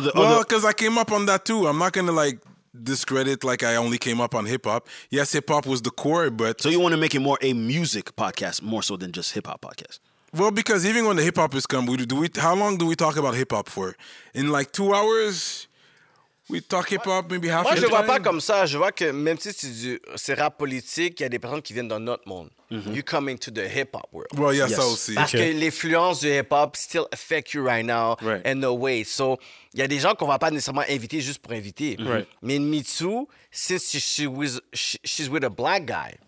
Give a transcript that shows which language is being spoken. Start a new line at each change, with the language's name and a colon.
English: well, because I came up on that, too. I'm not going to, like, discredit, like, I only came up on hip-hop. Yes, hip-hop was the core, but... So you want to make it more a music podcast, more so than just hip-hop podcast? Well, because even when the hip-hop has come, how long do we talk about hip-hop for? In, like, 2 hours... We talk hip-hop, maybe half.
French: Moi, je vois pas comme ça. Je vois que même si c'est rap politique, il y a des personnes qui viennent d'un autre monde.
English: Mm-hmm. You come into the hip-hop world. Well, yeah, yes,
French: ça aussi. Parce que l'influence du hip-hop
English: still affect you right now in a way.
French: So, il y a des gens qu'on va pas nécessairement inviter juste pour inviter.
English: Mais Mitsu, since she's with a black guy.